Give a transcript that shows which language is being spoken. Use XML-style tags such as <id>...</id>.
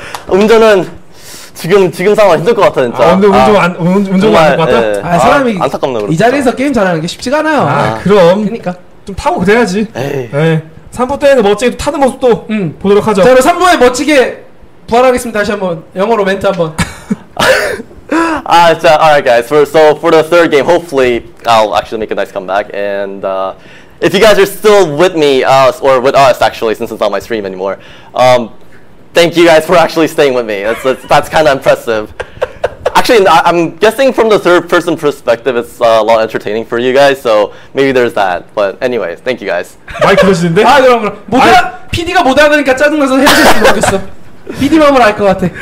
<ko>운전은 지금 상황 힘들 것 같아 진짜. 아 근데 운전은 안 할 것 같아? 예, 예. 아 사람이 아, 안타깝네 그렇죠. 이 자리에서 게임 잘하는 게 쉽지가 않아요. 아 그럼 그니까 좀 타고 그래야지. 에이 3부 때는 멋지게 타는 모습도 보도록 하죠. 자 그럼 3부에 멋지게 부활하겠습니다. 다시 한번 영어로 멘트 한번. 아 진짜</ko> <en>alright guys so for the third game hopefully I'll actually make a nice comeback and if you guys are still with me or with us actually since it's not my stream anymore thank you guys for actually staying with me. That's kind of impressive. Actually, I'm guessing from the third person perspective, it's a lot entertaining for you guys. So maybe there's that. But anyway, thank you guys.</en> <ko>많이 그러시는데? 아 그럼 못 알아. PD가 못 알아들으니까 짜증나서 헤어질 수 없겠어. PD 마음을 알 것 같아.</ko>